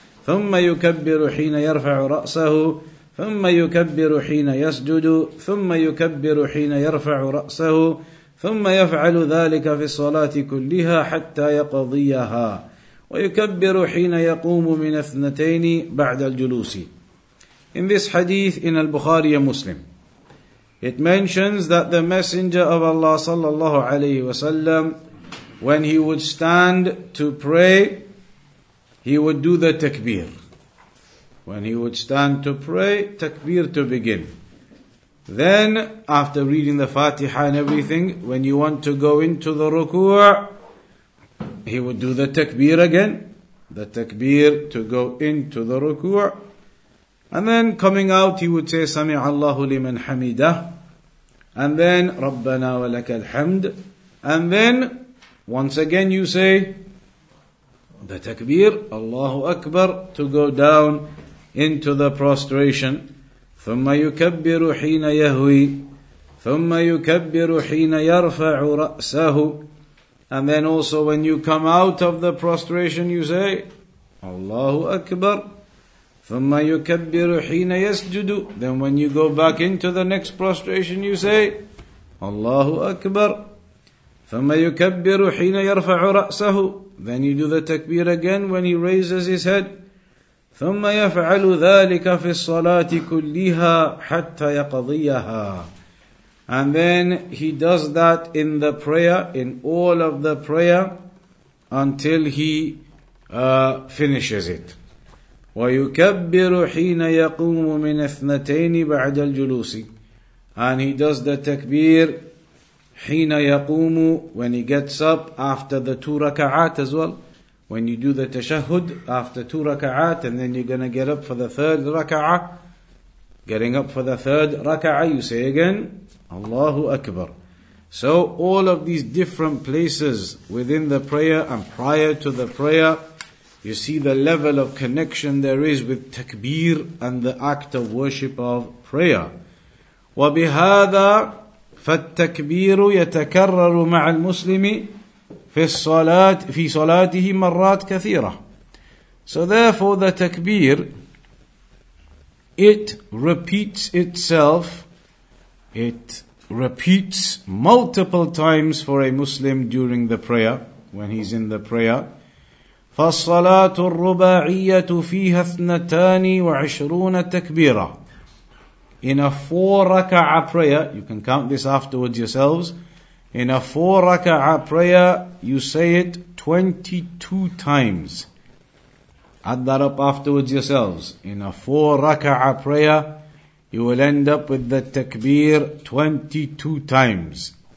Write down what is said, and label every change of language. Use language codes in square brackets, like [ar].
[ar] ثم يكبر حين يرفع رأسه ثم يكبر حين يسجد ثم يكبر حين يرفع رأسه ثم يفعل ذلك في الصلاة كلها حتى يقضيها ويكبر حين يقوم من اثنتين بعد الجلوس. [en] In this hadith in al-Bukhari Muslim, it mentions that the Messenger of Allah sallallahu alayhi wa sallam, when he would stand to pray, he would do the takbir. When he would stand to pray, takbir to begin. Then, after reading the Fatiha and everything, when you want to go into the ruku', he would do the takbir again. The takbir to go into the ruku'. And then coming out, he would say, [ar] سَمِعَ اللَّهُ لِمَنْ حَمِدَهُ. [en] And then, [ar] رَبَّنَا وَلَكَ الْحَمْدُ. [en] And then, once again you say, the takbir, Allahu Akbar, to go down into the prostration. [ar] ثم يكبر حين يهوي ثم يكبر حين يرفع رأسه. [en] And then also when you come out of the prostration, you say Allahu Akbar. [ar] ثم يكبر حين يسجد. [en] Then when you go back into the next prostration, you say Allahu Akbar. [ar] ثم يكبر حين يرفع رأسه. [en] Then you do the takbir again when he raises his head. [ar] ثم يفعل ذلك في الصلاة كلها حتى يقضيها. [en] And then he does that in the prayer, in all of the prayer, until he finishes it. [ar] ويكبر حين يقوم من اثنتين بعد الجلوس. [en] And he does the takbir [ar] حين يقوم, [en] when he gets up after the two rak'at as well. When you do the tashahud after two raka'at and then you're going to get up for the third raka'ah, getting up for the third raka'ah, you say again, Allahu Akbar. So all of these different places within the prayer and prior to the prayer, you see the level of connection there is with takbir and the act of worship of prayer. [ar] وَبِهَذَا فَالتَّكْبِيرُ يَتَكَرَّرُ مَعَ الْمُسْلِمِ في صلاته مرات كثيرة. [en] So therefore the takbir, it repeats itself, it repeats multiple times for a Muslim during the prayer, when he's in the prayer. [ar] فالصلاة الرباعية فيها اثنتان وعشرون تكبيرا. [en] In a four rak'ah prayer, you can count this afterwards yourselves, in a four raka'ah prayer, you say it 22 times. Add that up afterwards yourselves. In a four raka'ah prayer, you will end up with the takbir 22 times.